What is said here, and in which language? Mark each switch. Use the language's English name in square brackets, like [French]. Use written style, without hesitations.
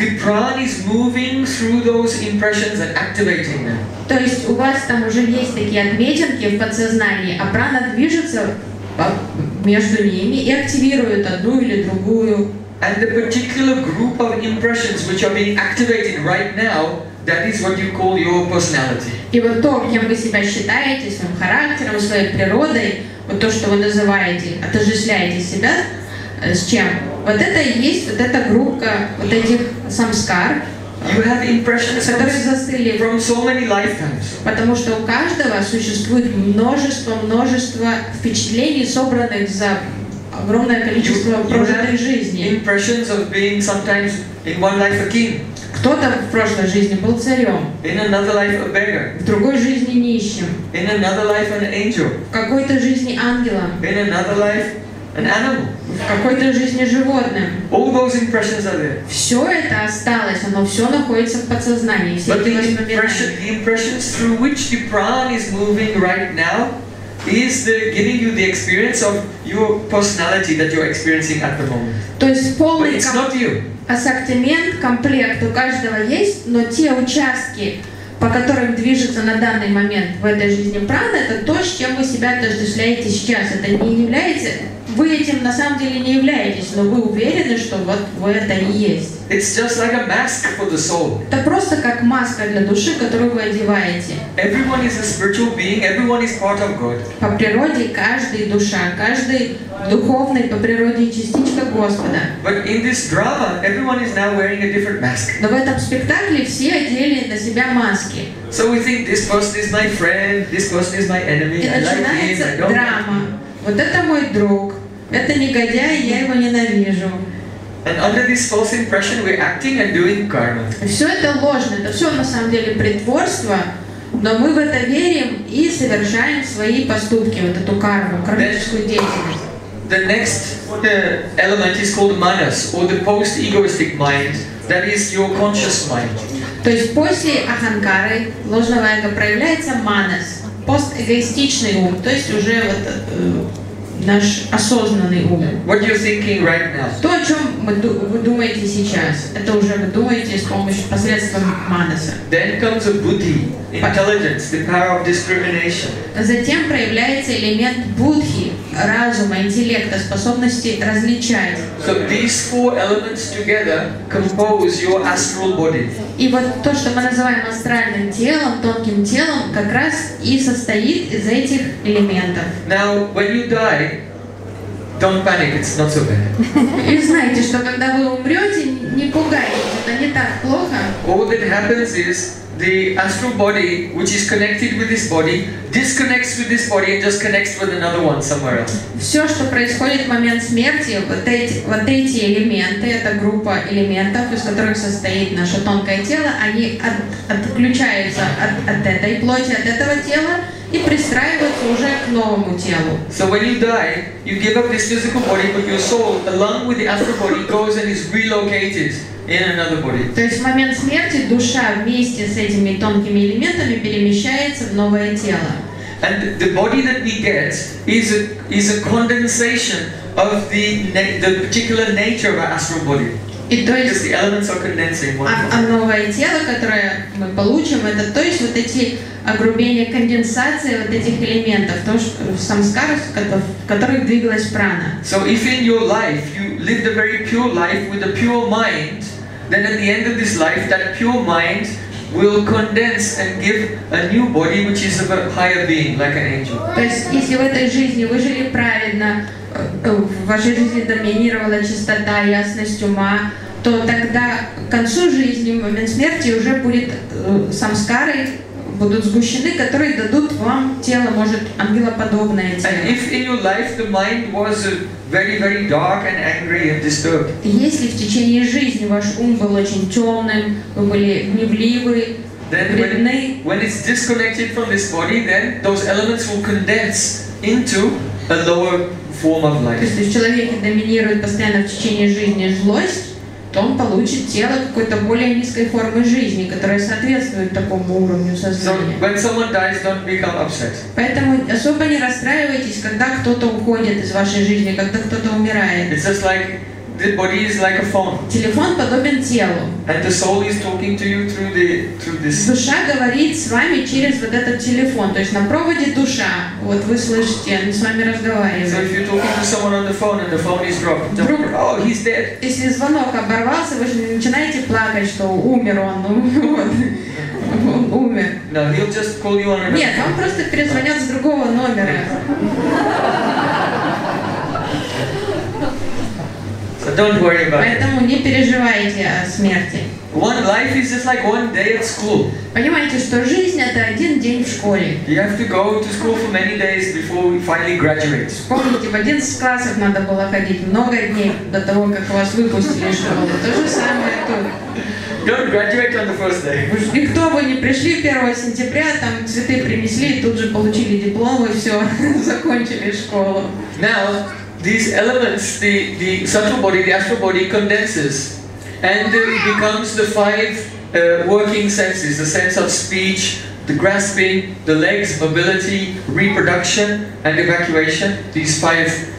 [English] The prana is moving through those impressions and activating them. [Russian] То есть у вас там уже есть такие отметинки в подсознании, а прана движется между ними и активирует одну или другую. [English] And the particular group of impressions which are being activated right now, that is what you call your personality. [Russian] И вот то, кем вы себя считаете, своим характером, своей природой, вот то, что вы называете, отождествляете себя с чем, вот это и есть вот эта группа вот этих самскар. [English] You have impressions from so many lifetimes. [Russian] Потому что у каждого существует множество впечатлений, собранных за огромное количество прожитой жизни. [English] Impressions of being sometimes in one life a king. [Russian] Кто-то в прошлой жизни был царем. [English] In another life a beggar. [Russian] В другой жизни нищим. [English] In another life an angel. [Russian] В какой-то жизни ангелом. [English] In another life an animal. [Russian] В какой-то жизни животным. [English] All those impressions are there. [Russian] Все это осталось, оно все находится в подсознании. Все эти воспоминания. [English] The impressions through which the prana is moving right now is the giving you the experience of your personality that you're experiencing at the moment. [Russian] То есть полный [English] but it's not you. [Russian] Ассортимент, комплект у каждого есть, но те участки по которым движется на данный момент в этой жизни прана, это то, с чем вы себя отождествляете сейчас. Это не является, вы этим на самом деле не являетесь, но вы уверены, что вот вы это и есть. [English] It's just like a mask for the soul. [Russian] Это просто как маска для души, которую вы одеваете. [English] Everyone is a spiritual being, everyone is part of God. [Russian] По природе каждый душа, каждый духовный по природе частичка Господа. [English] But in this drama, everyone is now wearing a different mask. [Russian] Но в этом спектакле все одели на себя маски. [English] So we think this person is my friend, this person is my enemy. [Russian] И начинается драма. Вот это мой друг, это негодяй, я его ненавижу. [English] And under this false impression, we're acting and doing karma. [Russian] Все это ложно, это все на самом деле притворство. Но мы в это верим и совершаем свои поступки, вот эту карму, кармическую деятельность. [English] The next element is called manas, or the post-egoistic mind, that is your conscious mind. [Russian] То есть после аханкары, ложного эго, проявляется манас, пост-эгоистичный ум, то есть уже вот наш осознанный ум. [English] What you're thinking right now? [Russian] То, о чем вы думаете сейчас, это уже вы думаете с помощью посредством манаса. [English] Then comes a buddhi, intelligence, the power of discrimination. [Russian] Затем проявляется элемент будхи, разума, интеллекта, способности различать. [English] So these four elements together compose your astral body. [Russian] И вот то, что мы называем астральным телом, тонким телом, как раз и состоит из этих элементов. [English] Now, when you die, don't panic, it's not so bad. [Russian] И знаете, что когда вы умрете, не пугайтесь, это не так плохо. [English] All that happens is the astral body, which is connected with this body, disconnects with this body and just connects with another one somewhere else. [Russian] Все, что происходит в момент смерти, вот эти элементы, эта группа элементов, из которых состоит наше тонкое тело, они отключаются от этой плоти, от этого тела и пристраиваются уже к новому телу. [English] So when you die, you give up this physical body, but your soul, along with the astral body, goes and is relocated. In another body. [Russian] То есть в момент смерти душа вместе с этими тонкими элементами перемещается в новое тело. [English] And the body that we get is a condensation of the particular nature of our astral body. [Russian] И то есть, [English] because the elements are condensing. [Russian] А новое тело, которое мы получим, это то есть вот эти огрубения, конденсация вот этих элементов, то что самскара, в которой двигалась прана. [English] So if in your life you lived a very pure life with a pure mind, then at the end of this life that pure mind will condense and give a new body which is of a higher being, like an angel. [Russian] То есть если в этой жизни вы жили правильно, в вашей жизни доминировала чистота, ясность ума, то тогда к концу жизни, в момент смерти, уже будет самскары будут сгущены, которые дадут вам тело, может, ангелоподобное тело. [English] And if in your life the mind was very, very dark and angry and disturbed. [Russian] Если в течение жизни ваш ум был очень темным, вы были гневливы, вредны, [English] when it's disconnected from this body, then those elements will condense into a lower form of life. [Russian] То есть, если в человеке доминирует постоянно в течение жизни злость, то он получит тело какой-то более низкой формы жизни, которая соответствует такому уровню сознания. [English] So when someone dies, don't become upset. [Russian] Поэтому особо не расстраивайтесь, когда кто-то уходит из вашей жизни, когда кто-то умирает. [English] It's just like the body is like a phone. [Russian] Телефон подобен телу. [English] And the soul is talking to you through this. [Russian] Душа говорит с вами через вот этот телефон, то есть на проводе душа. Вот вы слышите, он с вами разговаривает. [English] So if you're talking to someone on the phone and the phone is dropped, oh, he's dead. [Russian] Если звонок оборвался, вы же не начинаете плакать, что умер он, ну вот. Умер. [English] No, he'll just call you on another. [Russian] Нет, он просто перезвонит с другого номера. [English] So don't worry about it. [Russian] Поэтому не переживайте о смерти. [English] One life is just like one day at school. [Russian] Понимаете, что жизнь это один день в школе. [English] You have to go to school for many days before we finally graduate. [Russian] Помните, в 11 классов надо было ходить много дней до того, как вас выпустили из школы. То же самое тут. [English] Don't graduate on the first day. [Russian] Никто бы не пришли 1 сентября, там цветы принесли, тут же получили диплом и все, закончили школу. [English] Now, these elements, the subtle body, the astral body, condenses and becomes the five working senses, the sense of speech, the grasping, the legs, mobility, reproduction and evacuation, these five